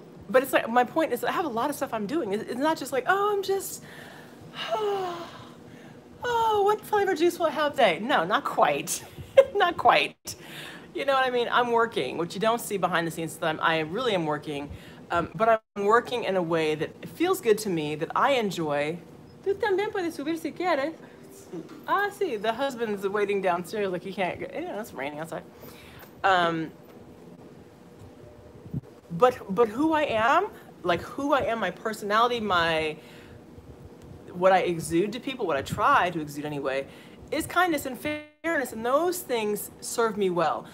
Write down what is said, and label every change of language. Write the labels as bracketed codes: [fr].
[en] But it's like, my point is that I have a lot of stuff I'm doing. It's not just like, oh, I'm just, oh, what flavor juice will I have today? No, not quite. Not quite. You know what I mean? I'm working. What you don't see behind the scenes is that I really am working. But I'm working in a way that feels good to me, that I enjoy. [es] Tú también puedes subir si quieres. Ah, sí. [en] The husband's waiting downstairs like he can't go. Yeah, it's raining outside. But who I am, like who I am, my personality, my what I exude to people, what I try to exude anyway, is kindness and fairness, and those things serve me well.